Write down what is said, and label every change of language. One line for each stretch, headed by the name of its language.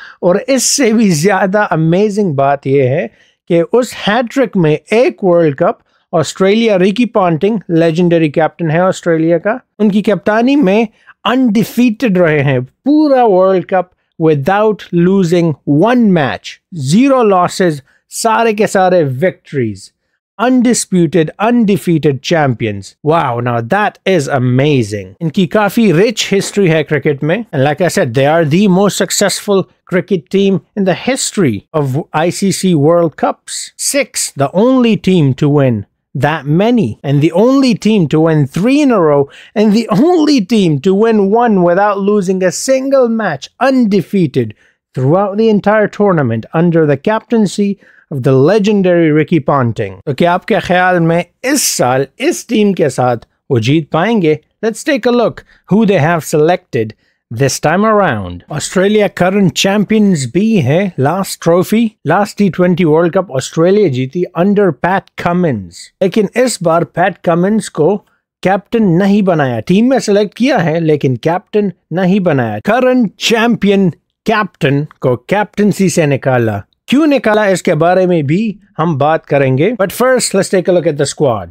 Hindi: और इससे भी ज्यादा अमेजिंग बात यह है कि उस हैट्रिक में एक world cup Australia, Ricky Ponting legendary captain है ऑस्ट्रेलिया का, उनकी कप्तानी में अनडिफीटेड रहे हैं पूरा world cup without losing 1 match, 0 losses, सारे के सारे victories,
English: undisputed, undefeated champions. Wow, now that is amazing.
Hindi: इनकी काफी rich history है cricket में.
English: And like I said, they are the most successful cricket team in the history of ICC World Cups. 6, the only team to win that many. And the only team to win 3 in a row. And the only team to win 1 without losing a single match, undefeated throughout the entire tournament under the captaincy of the legendary Ricky Ponting.
Hindi: तो क्या आपके ख्याल में इस साल इस team के साथ वो जीत पाएंगे?
English: Let's take a look who they have selected this time around.
Hindi: Australia current champions भी हैं.
English: Last trophy, last T20 World Cup Australia जीती under Pat Cummins.
Hindi: लेकिन इस बार Pat Cummins को कैप्टन नहीं बनाया. टीम में सेलेक्ट किया है लेकिन कैप्टन नहीं बनाया. Current champion कैप्टन को कैप्टनसी से निकाला. क्यों निकाला इसके बारे में भी हम बात करेंगे.
English: But first let's take a look at the squad.